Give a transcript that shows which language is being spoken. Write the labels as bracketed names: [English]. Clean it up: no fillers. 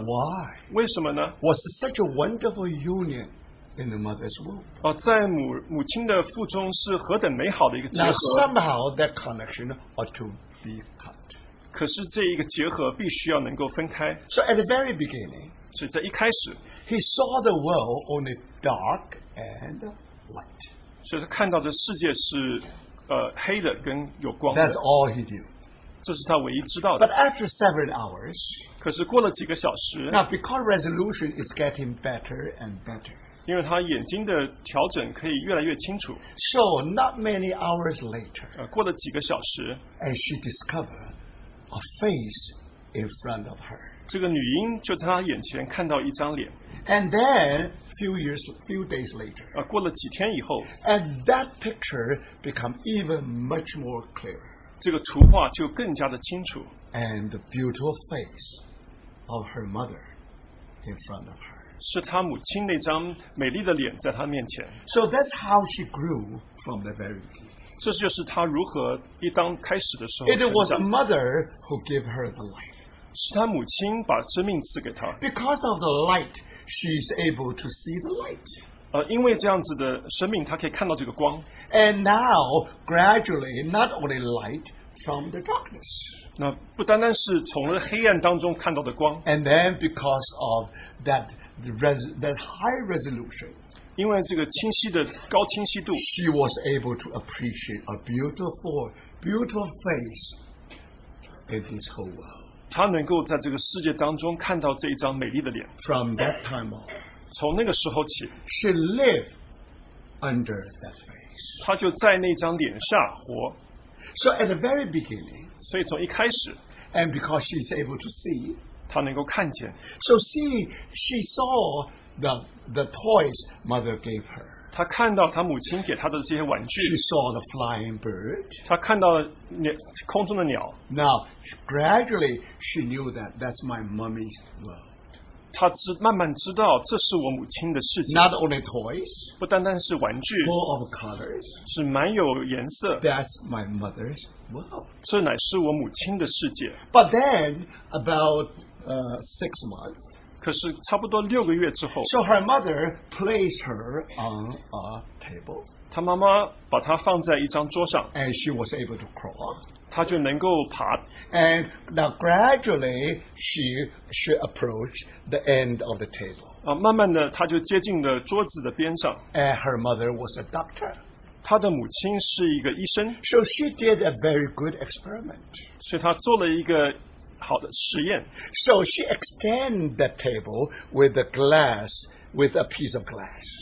[English] Why? [Chinese] 为什么呢? [English] Was such a wonderful union in the mother's womb. [Chinese] 在母亲的腹中是何等美好的一个结合。 [English] Now somehow that connection ought to be cut. [Chinese] 可是这一个结合必须要能够分开。 [English] So at the very beginning, [Chinese] 所以在一开始, [English] he saw the world only dark and light. [Chinese] 所以他看到的世界是黑的跟有光的。 [English] That's all he knew. [Chinese] 这是他唯一知道的。 [English] But after several hours, [Chinese] 可是过了几个小时。 [English] Now because resolution is getting better and better. [Chinese] 因为他眼睛的调整可以越来越清楚。 [English] So not many hours later, [Chinese] 过了几个小时。 [English] And she discovered a face in front of her. [Chinese] 这个女婴就在她眼前看到一张脸。 [English] And then, few days later, [Chinese] 过了几天以后, [English] and that picture became even much more clear. [Chinese] 这个图画就更加的清楚。 [English] And the beautiful face of her mother in front of her. [Chinese] 是她母亲那张美丽的脸在她面前。 [English] So that's how she grew from the very beginning. [Chinese] 这就是她如何一当开始的时候成长。 [English] It was a mother who gave her the light. [Chinese] 是她母亲把生命赐给她。 [English] Because of the light,She's able to see the light. [Chinese] 因为这样子的生命，她可以看到这个光。 [English] And now, gradually, not only light from the darkness. [Chinese] 那不单单是从黑暗当中看到的光。 [English] And then, because of that high resolution, [Chinese] 因为这个清晰的高清晰度 [English] she was able to appreciate a beautiful face in this whole world. [Chinese] 他能够在这个世界当中看到这一张美丽的脸。 [English] From that time on, [Chinese] 从那个时候起 [English] she lived under that face. [Chinese] 他就在那张脸下活。 [English] So at the very beginning, [Chinese] 所以从一开始 [English] and because she is able to see, [Chinese] 他能够看见。 [English] So see, she saw the toys mother gave her. [Chinese] 他看到他母亲给他的这些玩具。 [English] She saw the flying bird. [Chinese] 他看到空中的鸟。 [English] Now, gradually, she knew that that's my mommy's world. [Chinese] 他慢慢知道这是我母亲的世界。 [English] Not only toys, [Chinese] 不单单是玩具。 [English] Full of colors, [Chinese] 是蛮有颜色。 [English] That's my mother's world. [Chinese] 这乃是我母亲的世界。 [English] But then, about 6 months, [Chinese] 可是差不多六个月之后 [English] so her mother placed her on a table. [Chinese] 她妈妈把她放在一张桌上 [English] and she was able to crawl. [Chinese] 她就能够爬 [English] and now gradually she approached the end of the table. [Chinese] 慢慢的她就接近了桌子的边上 [English] and her mother was a doctor. [Chinese] 她的母亲是一个医生 [English] so she did a very good experiment. [Chinese] 所以她做了一个好的实验 [English] So she extended that table with a glass, with a piece of glass.